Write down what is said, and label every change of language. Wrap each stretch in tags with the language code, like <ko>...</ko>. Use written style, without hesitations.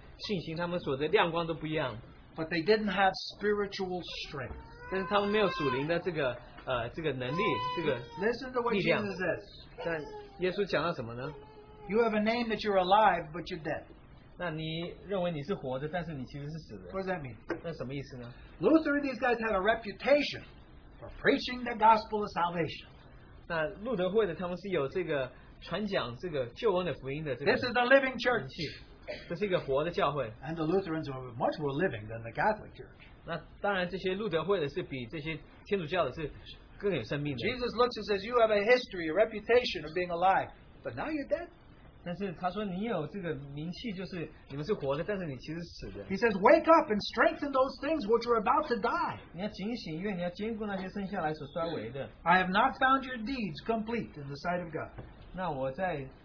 <zh>那所有不同改革组他们有不同的信心，他们所的亮光都不一样。</zh> <en>But they didn't have spiritual strength.</en> <zh>但是他们没有属灵的这个能力，这个力量。</zh> <en>Listen to what Jesus says.</en> <zh>但耶稣讲到什么呢？</zh> <en>You have a name that you're alive, but you're dead.</en> <zh>那你认为你是活的，但是你其实是死的。</zh> <en>What does that mean?</en> <zh>那什么意思呢?</zh> <en>Luther and these guys had a reputation for preaching the gospel of salvation.</en> <zh>那路德会的他们是有这个传讲这个救恩的福音的这个。</zh> <en>This is the living church.</en> <zh>这是一个活的教会。</zh> <en>And the Lutherans were much more living than the Catholic church.</en> <zh>那当然这些路德会的是比这些天主教的是更有生命的。</zh> <en>Jesus looks and says, you have a history, a reputation of being alive, but now you're dead.</en> <zh>但是他说你有这个名气，就是你们是活的，但是你其实死的。</zh> <en>He says, wake up and strengthen those things which are about to die.</en> <zh>你要警醒，因为你要兼顾那些剩下来所衰微的。</zh> <en>I have not found your deeds complete in the sight of God.</en>